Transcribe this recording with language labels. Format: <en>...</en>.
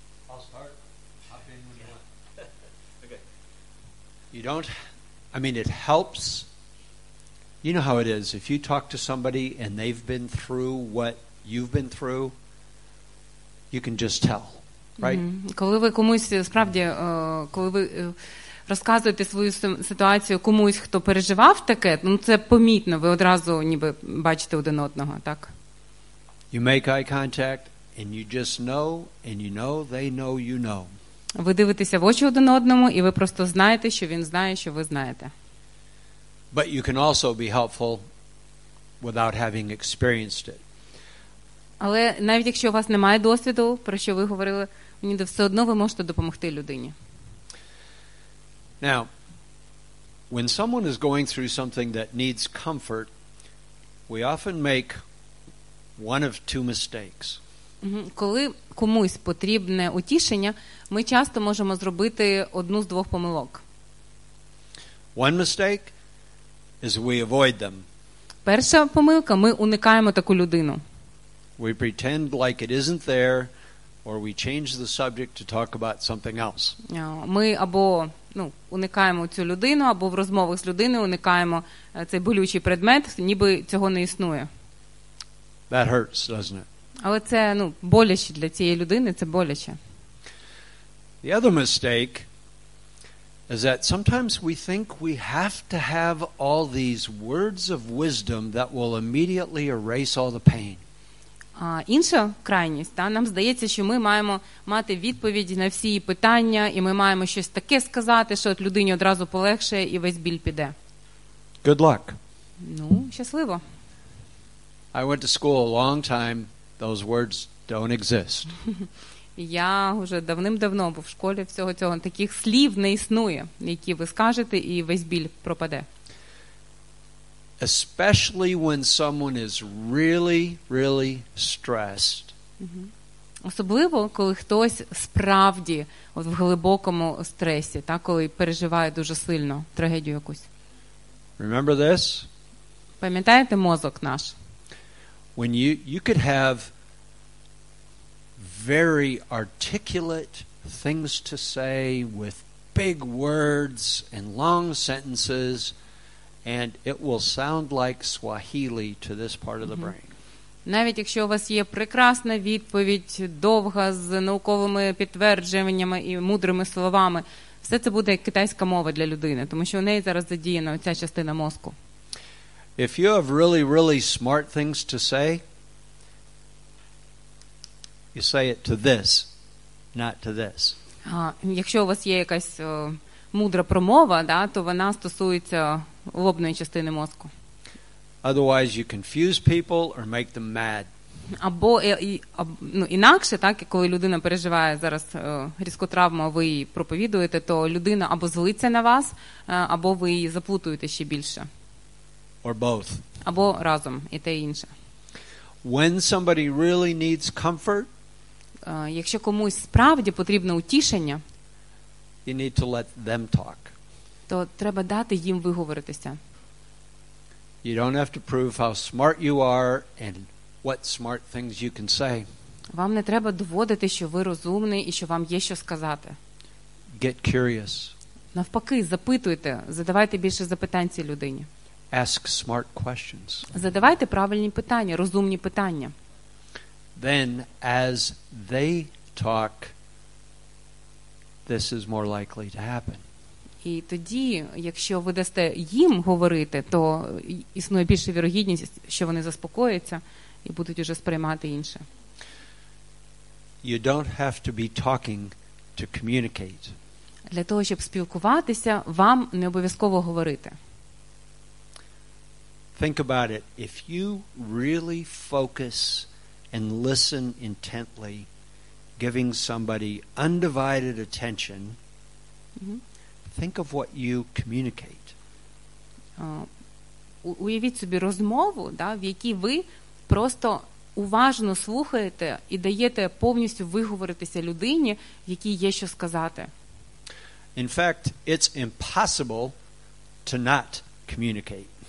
<en>I'll start. Hop in when you want. Okay. You don't, I mean, it helps. You know how it is. If you talk to somebody and they've been through what you've been through, you can just tell.</en> <uk>Коли ви комусь справді, коли ви розказуєте свою ситуацію комусь, хто переживав таке, ну це помітно, ви одразу ніби бачите один одного, так?</uk> <en>You make eye contact and you just know and you know they know you know.</en> <uk>Ви дивитеся в очі один одному і ви просто знаєте, що він знає, що ви знаєте.</uk> <en>But you can also be helpful without having experienced it.</en> <uk>Але навіть якщо у вас немає досвіду, про що ви говорили, мені все одно ви можете допомогти людині.</uk> <en>Now, when someone is going through something that needs comfort, we often make one of two mistakes.</en> <uk>Коли комусь потрібне утішення, ми часто можемо зробити одну з двох помилок.</uk> <en>One mistake is we avoid them.</en> <uk>Перша помилка, ми уникаємо таку людину.</uk> <en>We pretend like it isn't there, or we change the subject to talk about something else.</en> <uk>Ми або, ну, уникаємо цю людину, або в розмовах з людиною уникаємо цей болючий предмет, ніби цього не існує.</uk> <en>That hurts, doesn't it?</en> <uk>Але це, ну, боляче для цієї людини, це боляче.</uk> <en>The other mistake is that sometimes we think we have to have all these words of wisdom that will immediately erase all the pain.</en> <uk>Інша крайність, та, нам здається, що ми маємо мати відповіді на всі питання, і ми маємо щось таке сказати, що от людині одразу полегше, і весь біль піде.</uk> <en>Good luck.</en> <uk>Ну, щасливо.</uk> <en>I went to school a long time. Those words don't exist.</en> <uk>Я вже давним-давно був в школі, всього цього таких слів не існує, які ви скажете, і весь біль пропаде.</uk> <en>Especially when someone is really, really stressed.</en> <uk>Особливо, коли хтось справді от в глибокому стресі, так, коли переживає дуже сильно трагедію якусь.</uk> <en>Remember this?</en> <uk>Пам'ятаєте мозок наш?</uk> <en>When you could have very articulate things to say with big words and long sentences, and it will sound like Swahili to this part of the brain.</en> <uk>Навіть якщо у вас є прекрасна відповідь, довга з науковими підтвердженнями і мудрими словами, все це буде як китайська мова для людини, тому що у неї зараз задіяна ця частина мозку.</uk> <en>If you have really, really smart things to say, you say it to this, not to this.</en> <uk>Якщо у вас є якась мудра промова, да, то вона стосується лобної частини мозку.</uk> <en>Otherwise you confuse people or make them mad.</en> <uk>Або, ну, інакше, так, коли людина переживає зараз різку травму, ви її проповідуєте, то людина або злиться на вас, або ви її заплутуєте ще більше.</uk> <en>Or both.</en> <uk>Або разом, і те, і інше.</uk> <en>When somebody really needs comfort,</en> <uk>якщо комусь справді потрібно утішення,</uk> <en>you need to let them talk.</en> <uk>То треба дати їм виговоритися.</uk> <en>You don't have to prove how smart you are and what smart things you can say.</en> <uk>Вам не треба доводити, що ви розумний і що вам є що сказати.</uk> <en>Get curious.</en> <uk>Навпаки, запитуйте, задавайте більше запитань цій людині.</uk> <en>Ask smart questions.</en> <uk>Задавайте правильні питання, розумні питання.</uk> <en>Then as they talk, this is more likely to happen.</en> <uk>І тоді, якщо ви дасте їм говорити, то існує більша вірогідність, що вони заспокояться і будуть уже сприймати інше.</uk> <en>You don't have to be talking to communicate.</en> <uk>Для того, щоб спілкуватися, вам не обов'язково говорити.</uk> <en>Think about it. If you really focus and listen intently, giving somebody undivided attention, think of what you communicate.</en> <uk>Уявіть собі розмову, да, в якій ви просто уважно слухаєте і даєте повністю виговоритися людині, в якій є що сказати.</uk> <en>In fact, it's impossible to not communicate.</en>